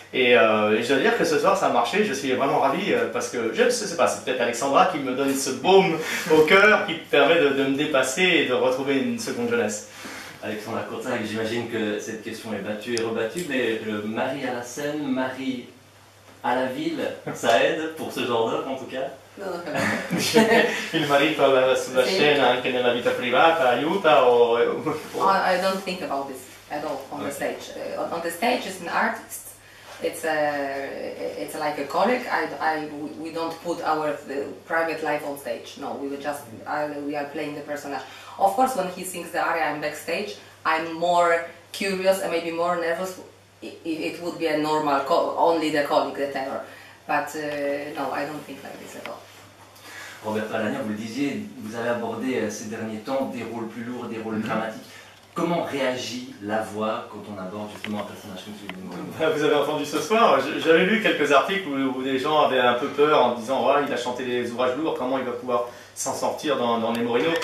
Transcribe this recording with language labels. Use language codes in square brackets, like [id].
[fr] Et je dois dire que ce soir, ça a marché. Je suis vraiment ravi parce que, je ne sais pas, c'est peut-être Alexandra qui me donne ce baume au cœur qui permet de me dépasser et de retrouver une seconde jeunesse. Alexandra Courtin, j'imagine que cette question est battue et rebattue, mais le mari à la scène, mari à la ville, ça aide pour ce genre d'œuvre en tout cas. [it] Il marito sulla scena anche nella vita privata aiuta o? [en] I don't think about this at all on the stage. On the stage, it's an artist. It's like a colleague. We don't put our private life on stage. No, we were just we are playing the personage. Of course, when he sings the aria, I'm backstage. I'm more curious and maybe more nervous. It would be a normal only the colleague, the tenor, but no, I don't think like this at all. [fr] Roberto Alagna, vous le disiez, vous avez abordé ces derniers temps des rôles plus lourds, des rôles dramatiques. Comment réagit la voix quand on aborde justement un personnage comme celui de Nemorino? Vous avez entendu ce soir, j'avais lu quelques articles où des gens avaient un peu peur en disant oh, il a chanté des ouvrages lourds, comment il va pouvoir s'en sortir dans Nemorino.